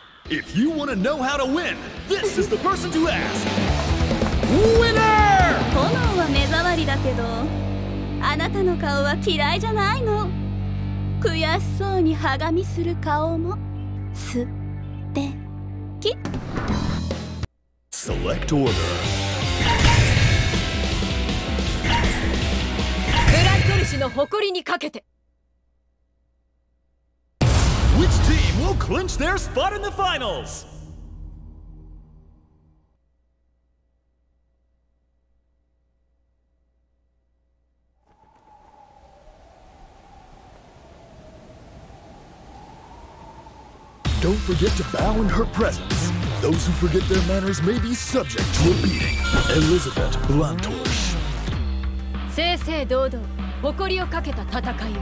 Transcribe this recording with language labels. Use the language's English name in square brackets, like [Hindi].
[English] If you want to know how to win, this is the person to ask. Winner! [Japanese] 炎は目障りだけど、あなたの顔は嫌いじゃないの。悔しそうにはがみする顔も素敵。 [English] Select order. [Japanese] グランドル氏の誇りにかけて。 [English] Clinch their spot in the finals. Don't forget to bow in her presence. Those who forget their manners may be subject to a beating. Elizabeth Blantosh. [Japanese] 正々堂々、誇りをかけた戦いを。